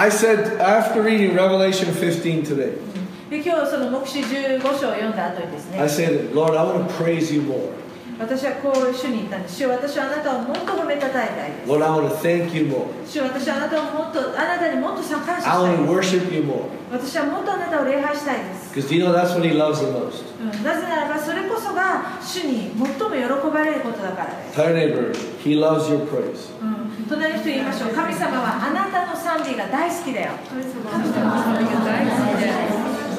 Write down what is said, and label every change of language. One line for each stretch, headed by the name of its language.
English: I said after reading Revelation 15 today.
Japanese: 今日その黙示15章を読んだ後にですね。
English: I said, Lord, I want to praise you more.
Japanese: 私はこう一緒に言ったんです。主、私はあなたをもっと褒めたたえたいです。
English: Lord, I want to thank you more.
Japanese: 主、私はあなたをもっと、あなたにもっと感謝したいです。
English: I want to worship you more.
Japanese: 私はもっとあなたを礼拝したいです。
English: Because you know that's what he loves the most.
Japanese: なぜならばそれこそが主に最も喜ばれることだからです。
English: Tell your neighbor, he loves your praise.
Japanese: 隣の人に言いましょう。神様はあなたの賛美が大好きだよ。神様の賛美が大好きだよ。